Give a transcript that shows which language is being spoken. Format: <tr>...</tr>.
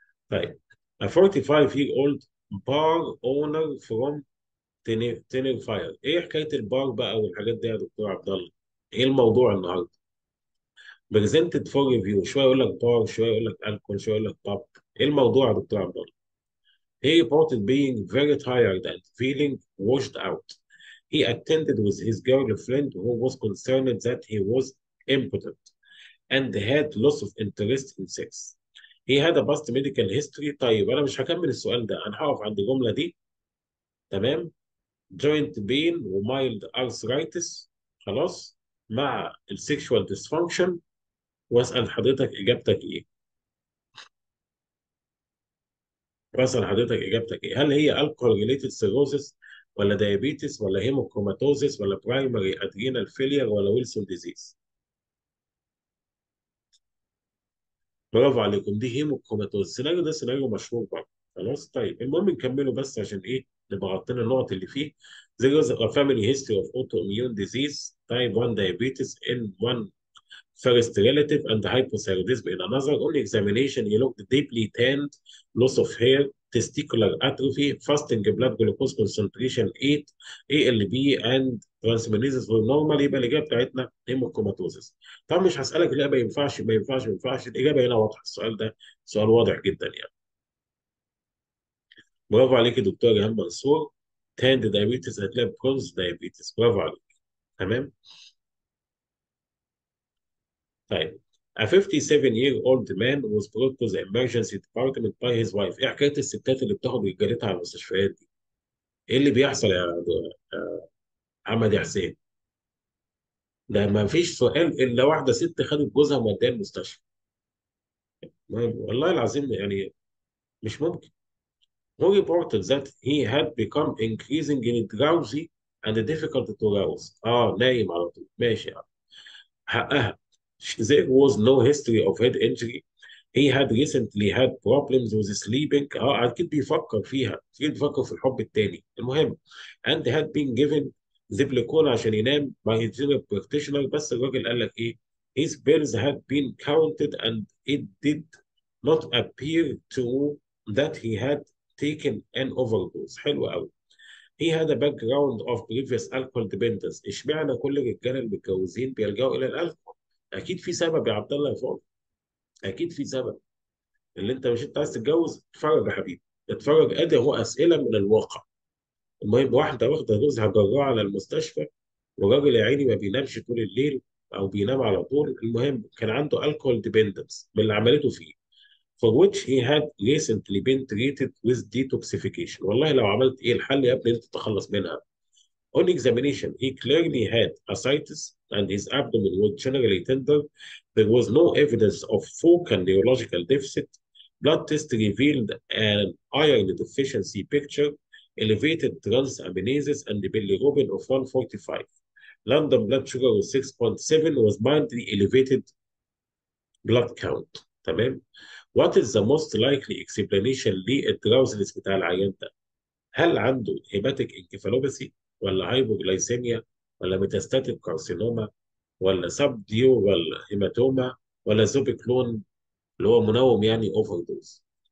<ar>طيب</ar> <en>a 45 year old bar owner from Tenerife.</en> <ar>ايه حكايه البار بقى والحاجات دي يا دكتور عبد الله؟ ايه الموضوع النهارده؟</ar> <en>presented for review،</en> <ar>شويه يقول لك بار، شويه يقول لك الكول، شويه يقول لك باب. ايه الموضوع يا دكتور عبد الله؟</ar> <en>He reported being very tired and feeling washed out. He attended with his girlfriend who was concerned that he was impotent and had loss of interest in sex. He had a past medical history.</en> <ar>طيب انا مش هكمل السؤال ده، انا هقف عند الجمله دي، تمام؟</ar> <en>Joint pain</en> <ar>ومايلد arthritis، خلاص، مع السيكشوال dysfunction، واسال حضرتك اجابتك ايه؟ بسأل حضرتك اجابتك ايه؟ هل هي الكحول ريليتد سيروسس ولا دايابيتس ولا هيموكروماتوزيس ولا برايمري ادرينال فيلير ولا ويلسون ديزيز؟ برافو عليكم، دي هيموكروماتوزيس. السيناريو ده سيناريو مشهور برضه، خلاص. طيب المهم نكمله بس عشان ايه نبقى غطينا النقط اللي فيه.</ar> <en>There is a family history of autoimmune disease type 1 diabetes in one first relative and hypothyroidism in another. Only examination, he looked deeply tanned, loss of hair, testicular atrophy, fasting blood glucose concentration 8, ALB and transaminases were normal.</en> <ar>يبقى الإجابة بتاعتنا هيموكوماتوزس. طبعا مش هسألك الإجابة ينفعش ما ينفعش ما ينفعش، الإجابة هنا واضحة، السؤال ده سؤال واضح جدا يعني. برافو عليك يا دكتور ريهام منصور، تاند دايابيتس هتلاقي برونز دايابيتس، برافو عليك. تمام؟ طيب</ar> <en>A 57-year-old man was brought to the emergency department by his wife.</en> <ar>ايه حكاية الستات اللي بتاخد رجالتها على المستشفيات دي؟ ايه اللي بيحصل يا محمد يا حسين؟ ده ما فيش سؤال الا واحدة ست خدت جوزها موديها المستشفى. والله العظيم يعني مش ممكن.</ar> <en>He reported that he had become increasingly drowsy and difficult to rouse.</en> <ar>نايم على طول. ماشي يا يعني. حقها.</ar> <en>There was no history of head injury. He had recently had problems with sleeping.</en> <ar>أكيد بيفكر فيها، أكيد بيفكر في الحب التاني. المهم</ar> <en>and had been given زبلكون</en> <ar>عشان ينام</ar> <en>by his general practitioner.</en> <ar>بس الراجل قال لك إيه؟</ar> <en>His pills had been counted and it did not appear to that he had taken an overdose.</en> <ar>حلو قوي.</ar> <en>He had a background of previous alcohol dependence.</en> <ar>إشمعنى كل الرجالة المتجوزين بيلجأوا إلى الألكو؟ أكيد في سبب يا عبد الله يا فاضل. أكيد في سبب. اللي أنت مش أنت عايز تتجوز؟ اتفرج يا حبيبي. اتفرج أدي أهو أسئلة من الواقع. المهم واحدة واخدة جوزها جراها على المستشفى وراجل يا عيني ما بينامش طول الليل أو بينام على طول. المهم كان عنده الكحول ديبندنس من اللي عملته فيه.</ar> <en>For which he had recently been treated with detoxification.</en> <ar>والله لو عملت إيه الحل يا ابني أنت تتخلص منها.</ar> <en>On examination, he clearly had ascites and his abdomen was generally tender. There was no evidence of focal neurological deficit. Blood test revealed an iron deficiency picture, elevated transaminases and the bilirubin of 145. London blood sugar was 6.7 was mildly elevated blood count.</en> <ar>تمام؟</ar> <en>What is the most likely explanation</en> <ar>للدراوزنس بتاع العيان ده؟ هل عنده هيباتيك انكفالوباسي؟ ولا هايبوغلايسيميا ولا ميتاستاتيك كارسينوما ولا سب ديورال هيماتوما ولا زوبيكلون اللي هو منوم يعني اوفر دوز.</ar>